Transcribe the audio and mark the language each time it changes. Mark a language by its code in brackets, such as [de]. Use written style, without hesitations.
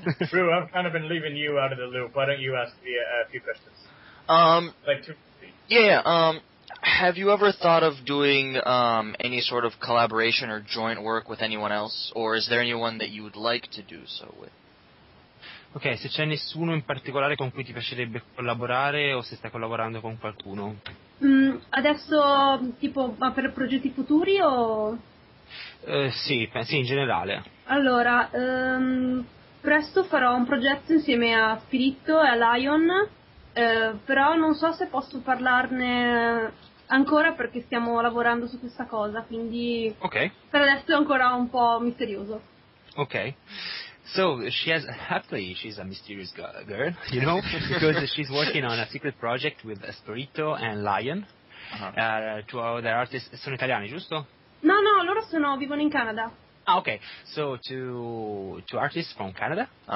[en] Drew, I've kind of been leaving you out of the loop. Why don't you ask me a few questions? Have you ever thought of doing any sort of collaboration or joint work with anyone else, or is there anyone that you would like to do so with? [it] Ok, se c'è nessuno in particolare con cui ti piacerebbe collaborare o se stai collaborando con qualcuno? Adesso, tipo, ma per progetti futuri o...? Sì, in generale. Allora, presto farò un progetto insieme a Spirito e a Lion, però non so se posso parlarne... ancora perché stiamo lavorando su questa cosa, quindi okay. Per adesso è ancora un po' misterioso. Ok. [en] So she's a mysterious girl, you know, because she's working on a secret project with Spirito and Lion. Uh-huh. To other artists, [it] sono italiani, giusto? No, loro vivono in Canada. [en] Ah, okay. So to artists from Canada.